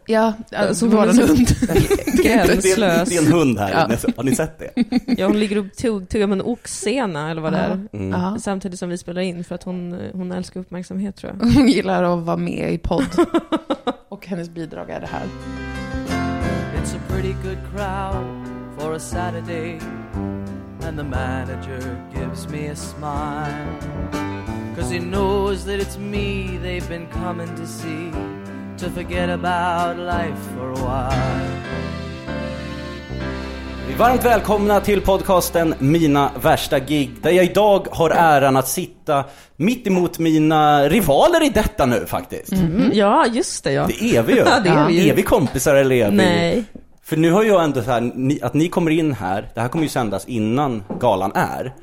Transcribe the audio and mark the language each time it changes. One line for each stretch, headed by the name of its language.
Swedish: Ja, alltså vi har en hund. Gränslös. Det är en hund här, har ni sett det? Ja, hon ligger och tuggar med en oxena eller vad det är. Samtidigt som vi spelar in, för att hon älskar uppmärksamhet, tror jag. Hon gillar att vara med i podd. Och hennes bidrag är det här.
English: It's a pretty good crowd for a Saturday, and the manager gives me a smile, 'cause he knows that it's me they've been coming to see, to forget about life for a while.
Swedish: Varmt välkomna till podcasten Mina värsta gig, där jag idag har äran att sitta mitt emot mina rivaler i detta nu faktiskt. Ja, just det. Det är vi ju. Är vi kompisar eller är vi? Nej. För nu har jag ändå så här, att ni kommer in här, det här kommer ju sändas innan galan är.